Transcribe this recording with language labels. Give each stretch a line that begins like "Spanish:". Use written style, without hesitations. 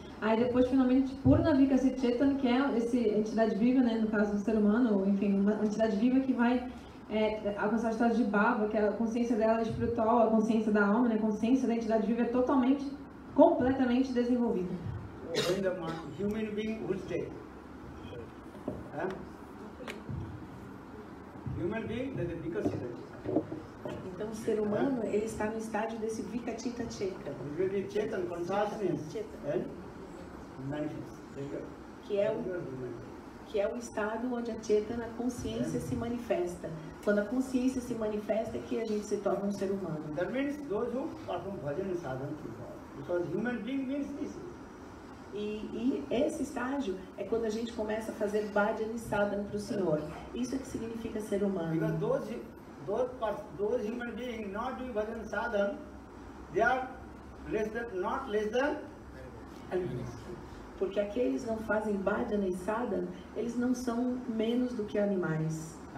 Portuguese: Aí depois, finalmente, purna vikasi chetan, que é essa entidade viva, né, no caso do ser humano, ou enfim, uma entidade viva que vai alcançar o estado de bhava, que é a consciência dela espiritual, a consciência da alma, né, a consciência da entidade viva é totalmente, completamente desenvolvida.
English: When the human being who stay, human being that is vikasita.
Portuguese: Então, o ser humano, ele está no estádio desse vikasita cheta. Vikasita consciousness, que é o estado onde a cheta na consciência se manifesta. Quando a consciência se manifesta, é que a gente se torna um ser humano.
English: That means those who perform bhajan sadhana to God, because human being means this.
Portuguese: E esse estágio é quando a gente começa a fazer bhajan e sadhana para o Senhor. Isso é que significa ser humano.
English: Because those human beings not doing bhajan sadhana, they are not less than animals.
Portuguese: Porque aqueles não fazem bhajan e sadhana, eles não são menos do que animais.